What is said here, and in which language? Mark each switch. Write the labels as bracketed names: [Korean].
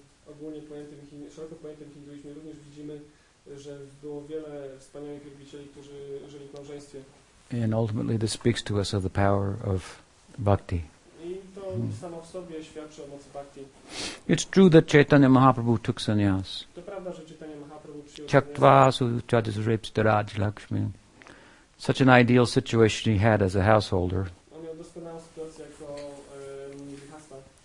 [Polish] Ogólnie pojętym, szeroko pojętym hinduizmie również widzimy, że było wiele wspaniałych wielbicieli, którzy żyli w małżeństwie. [English] And ultimately this speaks to us of the power of bhakti. [Polish] I to samo w sobie świadczy o mocy bhakti. [English] It's true that Chaitanya Mahaprabhu took sannyas. [Polish] To prawda, że Chaitanya Mahaprabhu przyjął Chaktva suchadis ripstaraj lakshmi. [English] Such an ideal situation he had as a householder. [Polish] On miał doskonałą sytuację jako grihastha.